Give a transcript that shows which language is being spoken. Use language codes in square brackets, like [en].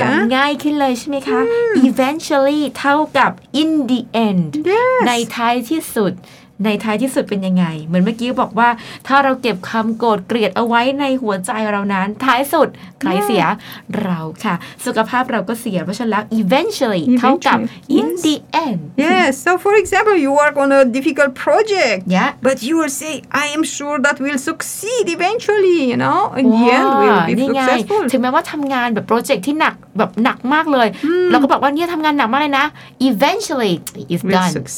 [th] จำง่ายขึ้นเลยใช่ไหมคะ eventually เท่ากับ [en] in the end yes. [th] ในท้ายที่สุดในท้ายที่สุดเป็นยังไงเหมือนเมื่อกี้บอกว่าถ้าเราเก็บคำโกรธเกลียดเอาไว้ในหัวใจเรานั้นท้ายสุดใครเสียเราค่ะสุขภาพเราก็เสียเพราะฉะนั้นแล้ว eventually เท่ากับ [en] in the end yes so for example you work on a difficult project yeah but you will say I am sure that we'll succeed eventually you know in the end we'll be successful [th] ถึงแม้ว่าทำงานแบบโปรเจกต์ที่หนักแบบหนักมากเลยเราก็บอกว่าเนี่ยทำงานหนักมากเลยนะ [en] eventually it's done